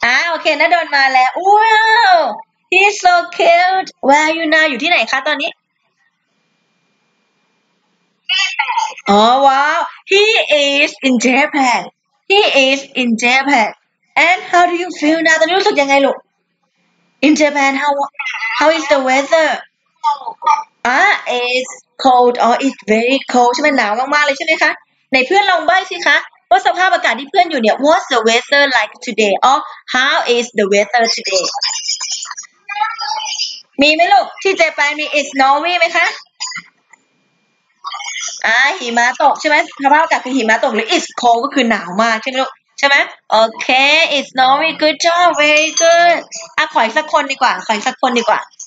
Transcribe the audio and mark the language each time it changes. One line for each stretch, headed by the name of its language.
Thai: โอเคนะโดนมาแล้วว้าว
English: he's so cute where are you now
Thai: อยู่ที่ไหนคะตอนนี้อ๋อว้าว
English: he is in Japan he is in Japan and how do you feel now
Thai: ตอนนี้รู้สึกยังไงลูก
English: in Japan how is the weather is cold or is very cold
Thai: ใช่ไหมหนาวมากๆเลยใช่ไหมคะในเพื่อนลองใบ้สิคะว่าสภาพอากาศที่เพื่อนอยู่เนี่ย
English: What's the weather like today? Or how is the weather today?
Thai: มีไหมลูกที่เจแปนมี
English: It's snowy
Thai: ไหมคะหิมะตกใช่ไหมสภาพอากาศคือหิมะตกหรือ
English: It's cold
Thai: ก็คือหนาวมากใช่ไหมลูกใช่ไหมโอเค
English: It's snowy good job very good
Thai: ขออีกสักคนดีกว่าขออีกสักคนดีกว่า